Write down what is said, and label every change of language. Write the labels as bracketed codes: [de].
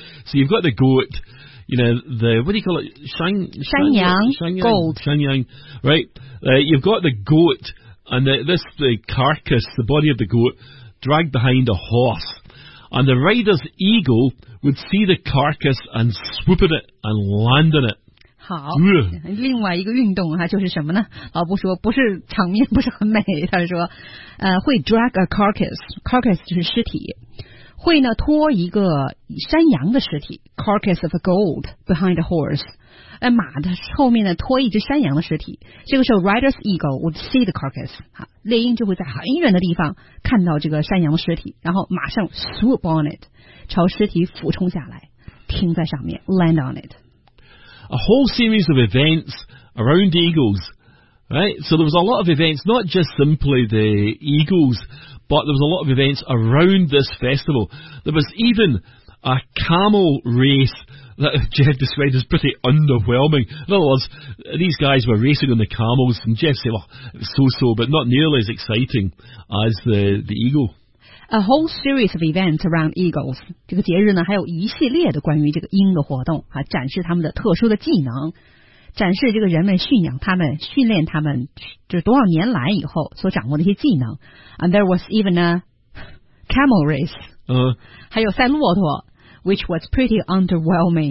[en] So you've got the goat, you know, the, what do you call it? [zh] Shanyang. [en] Right, you've got the goat and the carcass, the body of the goat, dragged behind a horse. And the rider's eagle would see the carcass and swoop at it and land on it. [zh] 好，另外一个运动哈、啊，就是什么呢？老布说不是场面不是很美，他说，会 [en] drag a carcass [zh] 就是尸体，会呢拖一个山羊的尸体 [en] carcass of a goat behind a horse， [zh] 马的后面呢拖一只山羊的尸体。这个时候 [en] rider's eagle would see the carcass， [zh] 哈、啊，猎鹰就会在很远的地方看到这个山羊的尸体，然后马上 [en] swoop on it， [zh] 朝尸体俯冲下来，停在上面 [en] land on it。 A whole series of events around eagles, right? So there was a lot of events, not just simply the eagles, but there was a lot of events around this festival. There was even a camel race that Jeff described as pretty underwhelming. In other words, these guys were racing on the camels, and Jeff said, well, so-so, but not nearly as exciting as the eagle. A whole series of events around eagles. [zh] 这个节日呢，还有一系列的关于这个鹰的活动啊，展示他们的特殊的技能，展示这个人们驯养他们、训练他们，就是多少年来以后所掌握的一些技能。 [en] And there was even a camel race. [zh] 还有赛骆驼 [en] ，which was pretty underwhelming.